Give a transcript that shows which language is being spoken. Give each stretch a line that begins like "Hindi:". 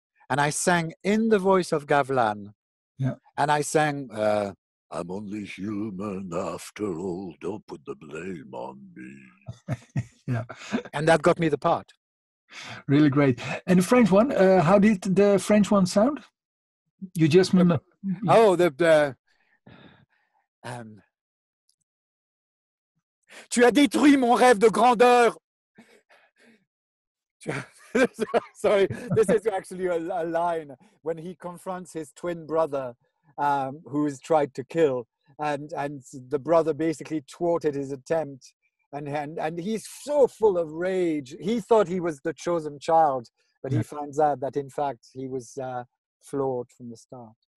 English: And I sang in the voice of Gavlan. Yeah. And I sang, I'm only human after all, don't put the blame on me. Yeah. And that got me the part. Really great. And the French one, how did the French one sound? You just remember. Oh, the
French: Tu as détruit mon rêve de grandeur.
English: Sorry, this is actually a line when he confronts his twin brother, who is tried to kill, and the brother basically thwarted his attempt. And he's so full of rage. He thought he was the chosen child, but he finds out that in fact he was flawed from the start.